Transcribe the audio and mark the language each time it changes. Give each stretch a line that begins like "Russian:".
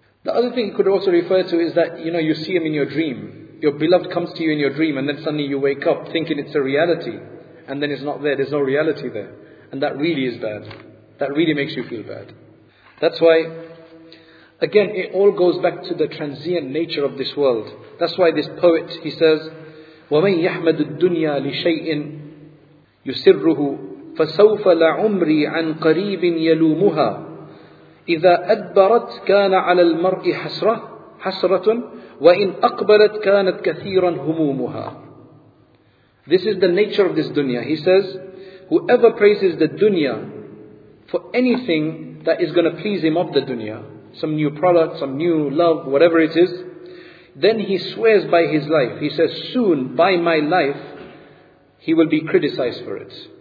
English: The other thing it could also refer to is that, you know, you see him in your dream. Your beloved comes to you in your dream, and then suddenly you wake up thinking it's a reality, and then it's not there, there's no reality there. And that really is bad. That really makes you feel bad. That's why, again, it all goes back to the transient nature of this world.
Arabic: That's why this poet, he says, وَمَنْ يَحْمَدُ الدُّنْيَا لِشَيْءٍ يُسِرُّهُ فَسَوْفَ لَعُمْرِي عَنْ قَرِيبٍ يَلُومُهَا إِذَا أَدْبَرَتْ كَانَ عَلَى الْمَرْءِ حَسْرَةٌ وَإِنْ أَقْبَلَتْ كَانَتْ كَثِيرًا هُمُومُهَا.
English: This is the nature of this dunya. He says, whoever praises the dunya for anything that is going to please him of the dunya, some new product, some new love, whatever it is, then he swears by his life. He says, soon, by my life, he will be criticized for it.